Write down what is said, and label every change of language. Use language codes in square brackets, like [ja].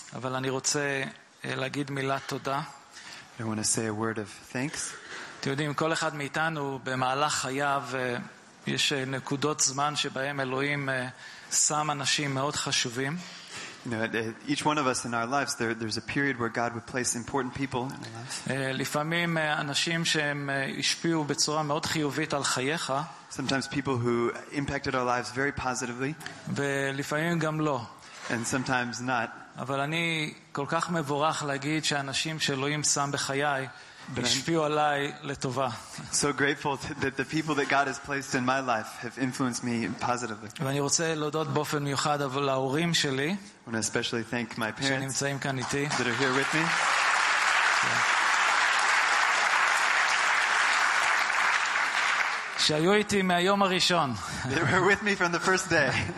[he] אבל אני רוצה להגיד מילת תודה. [en] I want to say a word of thanks. [he] אתם יודעים, כל אחד מאיתנו במהלך חייו יש נקודות זמן שבהם אלוהים שם אנשים מאוד חשובים. [en] You know, each one of us in our lives there's a period where God would place important people in our lives. [he] לפעמים אנשים שהם השפיעו בצורה מאוד חיובית על חייך. [en] Sometimes people who impacted our lives very positively. [he] ולפעמים גם לא. [en] And sometimes not. [he] אבל אני כל כך מבורך להגיד שאנשים שאלוהים שם בחיי השפיעו עליי לטובה. [en] So grateful that the people that God has placed in my life have influenced me positively. [he] ואני רוצה להודות באופן מיוחד על ההורים שלי. [en] I want to especially thank my parents [he] שנמצאים כאן איתי. [en] That are here with me. [he] שהיו איתי מהיום הראשון. [en] They were with me from the first day.